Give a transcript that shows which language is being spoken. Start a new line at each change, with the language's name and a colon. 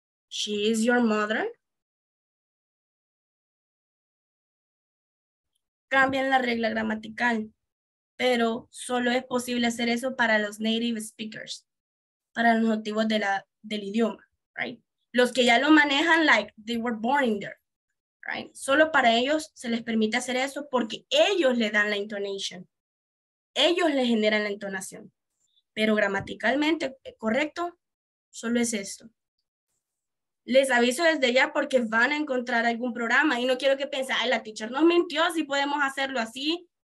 English: She is your mother.
Spanish: Cambian la regla gramatical, pero solo es posible hacer eso para los native speakers, para los nativos del idioma, right? Los que ya lo manejan,
English: like they were born in there. Right.
Spanish: Solo para ellos se les permite hacer eso porque ellos le dan la intonation. Ellos le generan la entonación. Pero gramaticalmente, ¿correcto? Solo es esto. Les aviso desde ya porque van a encontrar algún programa y no quiero que piensen, ay, la teacher nos mintió, si podemos hacerlo así.